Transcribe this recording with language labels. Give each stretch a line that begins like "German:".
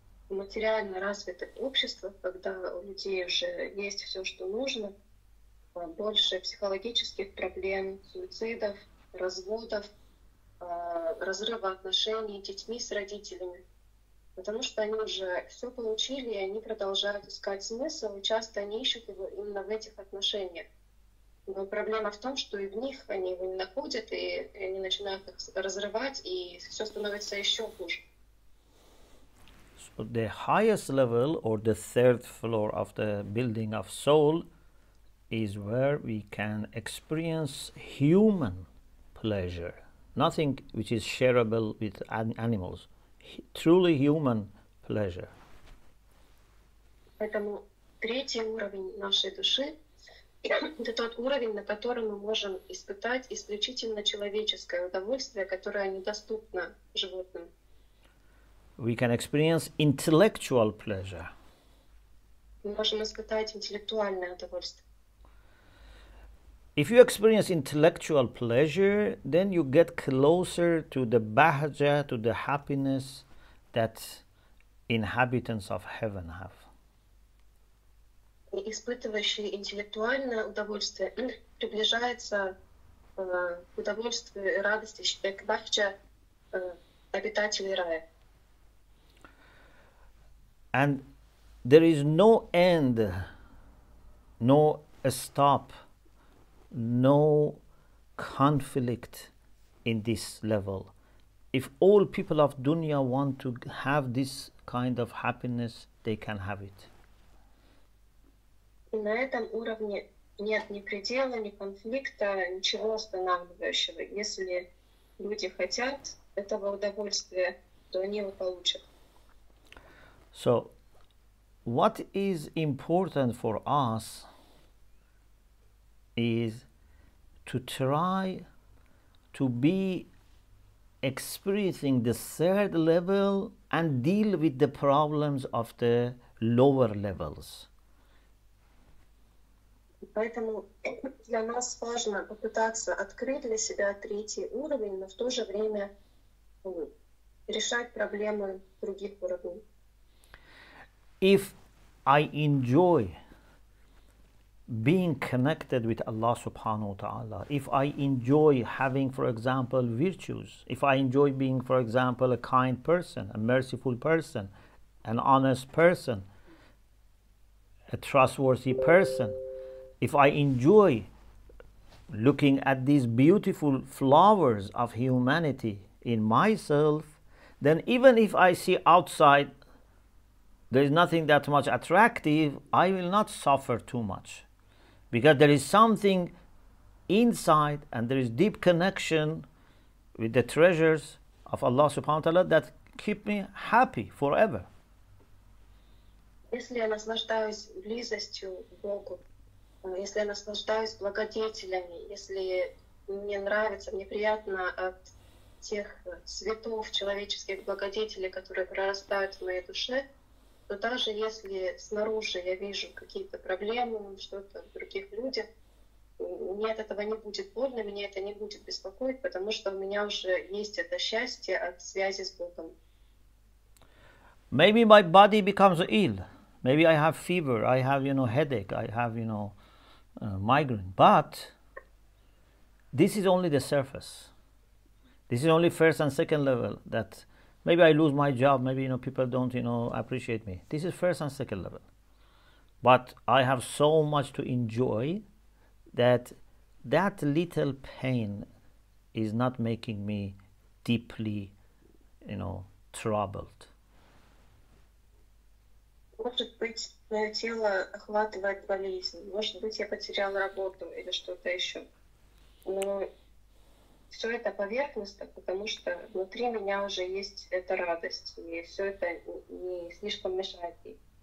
Russian: Материально развитых обществах, когда у людей уже есть все, что нужно, больше психологических проблем, суицидов, разводов, разрыва отношений с детьми, с родителями, потому что они уже все получили, и они продолжают искать смысл, и часто они ищут его именно в этих отношениях. Но проблема в том, что и в них они его не находят, и они начинают их разрывать, и все становится еще хуже.
English: The highest level, or the third floor of the building of soul, is where we can experience human pleasure, nothing which is shareable with animals, truly human pleasure.
Russian: Поэтому третий уровень нашей души — это тот уровень, на котором мы можем испытать исключительно человеческое удовольствие, которое недоступно животным.
English: We can experience intellectual pleasure.
Russian: Мы можем испытать интеллектуальное удовольствие.
English: If you experience intellectual pleasure, then you get closer to the bahja, to the happiness that inhabitants of heaven have.
Russian: Испытывающий интеллектуальное удовольствие приближается к удовольствию и радости, к бахджа обитателей рая.
English: And there is no end, no stop, no conflict in this level. If all people of dunya want to have this kind of happiness, they can have it.
Russian: На этом уровне нет ни предела, ни конфликта, ничего останавливающего. Если люди хотят этого удовольствия, то они его получат.
English: So, what is important for us is to try to be experiencing the third level and deal with the problems of the lower levels.
Russian: Поэтому для нас важно попытаться открыть для себя третий уровень, но в то же время решать проблемы других уровней.
English: If I enjoy being connected with Allah subhanahu wa ta'ala, if I enjoy having, for example, virtues, if I enjoy being, for example, a kind person, a merciful person, an honest person, a trustworthy person, if I enjoy looking at these beautiful flowers of humanity in myself, then even if I see outside there is nothing that much attractive, I will not suffer too much. Because there is something inside and there is deep connection with the treasures of Allah subhanahu wa ta'ala that keep me happy forever.
Russian: Если я наслаждаюсь близостью Богу, если я наслаждаюсь благодетелями, если мне нравится, мне приятно от тех цветов человеческих благодетелей, которые прорастают в моей душе, то даже если снаружи я вижу какие-то проблемы, что-то в других людях, мне от этого не будет больно, меня это не будет беспокоить, потому что у меня уже есть это счастье от связи с Богом.
English: Maybe my body becomes ill. Maybe I have fever, I have, you know, headache, I have, you know, migraine. But this is only the surface. This is only first and second level that maybe I lose my job, maybe, you know, people don't, you know, appreciate me. This is first and second level. But I have so much to enjoy that little pain is not making me deeply, you know, troubled.
Russian: Может быть, мое тело охватывает болезнь, может быть, я потерял работу или что-то еще. Но все это поверхностно, потому что внутри меня уже есть эта радость, и все это не слишком мешает ей.